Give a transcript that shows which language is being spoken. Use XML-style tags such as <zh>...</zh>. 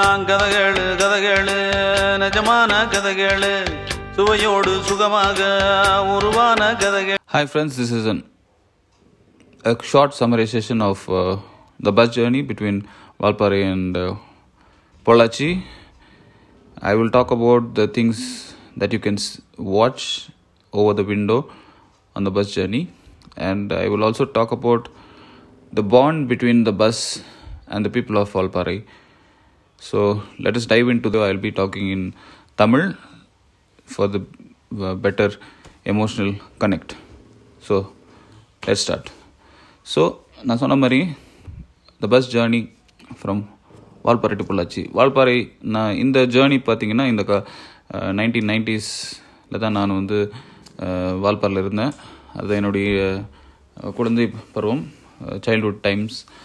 <ta>கதகேளு கதகேளு நிஜமான கதகேளு சுவையோடு சுகமாக உருவான கதகேளு.</ta> <en>Hi friends, this is a short summarisation of the bus journey between Valparai and Pollachi. I will talk about the things that you can watch over the window on the bus journey, and I will also talk about the bond between the bus and the people of Valparai. So let us dive into the I'll be talking in Tamil for the better emotional connect. So let's start. So</en> <ta>na sonna mari</ta> <en>the bus journey from Valparai to Pollachi.</en> <ta>Valparai நான் இந்த journey பார்த்தீங்கன்னா இந்த 1990s தான் நான் வந்து வால்பாறையில் இருந்தேன். அது என்னுடைய குழந்தை பருவம்,</ta> <en>Childhood times.</en>